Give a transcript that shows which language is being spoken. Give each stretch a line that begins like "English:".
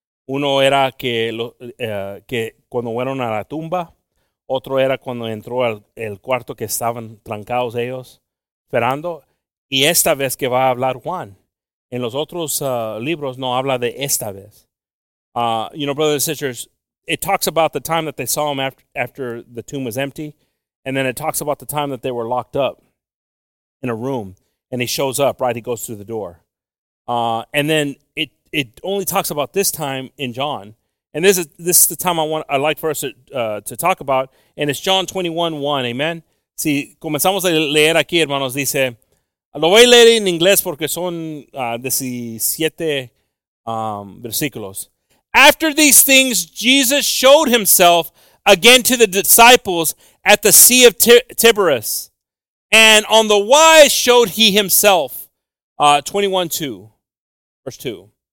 Spanish: Uno era que cuando fueron a la tumba. Otro era cuando entró al cuarto que estaban trancados ellos esperando. Y esta vez que va a hablar Juan. En los otros libros no habla de esta vez.
English: You know, brothers and sisters, it talks about the time that they saw him after the tomb was empty. And then it talks about the time that they were locked up in a room. And he shows up, right? He goes through the door. And then it only talks about this time in John. And this is the time I'd like for us to talk about. And it's John 21:1. Amen.
Spanish: Si comenzamos a leer aquí, hermanos, dice, lo voy a leer en inglés porque son 17 versículos.
English: After these things, Jesus showed himself again to the disciples at the Sea of Tiberias. And on the wise showed he himself. 21:2, verse 2.